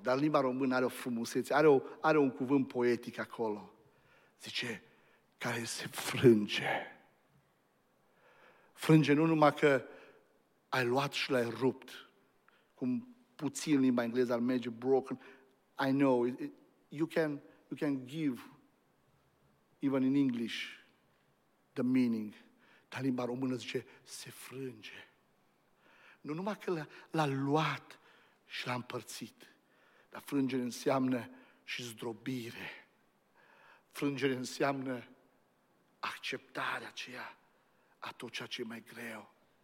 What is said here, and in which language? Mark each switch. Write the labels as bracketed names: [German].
[Romanian] Dar limba română are o frumusețe, are un cuvânt poetic acolo. Zice, care se frânge. Frânge nu numai că ai luat și l-ai rupt. Cum puțin limba engleză ar merge broken. [English] I know, you can give, even in English, the meaning. [Romanian] Dar limba română zice, se frânge. Nu numai că l-a luat și l-a împărțit, dar frângere înseamnă și zdrobire. Frângere înseamnă acceptarea aceea a tot ceea ce e mai greu.